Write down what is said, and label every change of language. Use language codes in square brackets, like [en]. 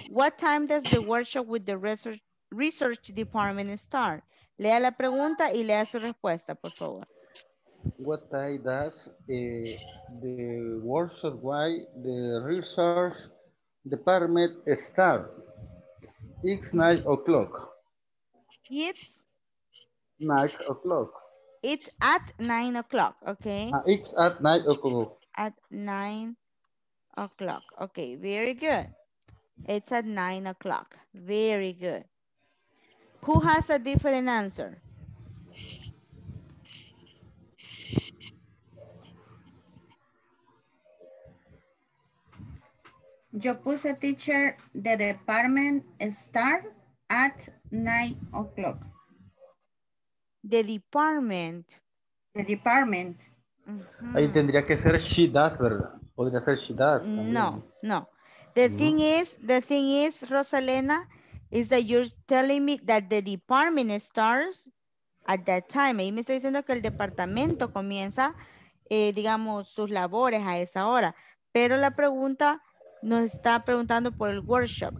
[en] What time does the workshop with the research department start? [es] Lea la pregunta y lea su respuesta, por favor. [en] What time does the workshop with the research department start? It's 9 o'clock. It's 9 o'clock. It's at 9 o'clock, okay. It's at 9 o'clock. At 9 o'clock, okay, very good. It's at 9 o'clock, very good. Who has a different answer? [es] Yo puse, [en] teacher, the department start at 9 o'clock. The department. The department. [es] Ahí tendría que ser [en] she does, [es] ¿verdad? Podría ser she does. No, no. [en] The thing is, Rosalena, is that you're telling me that the department starts at that time. [es] Ahí me está diciendo que el departamento comienza, digamos, sus labores a esa hora. Pero la pregunta nos está preguntando por el workshop.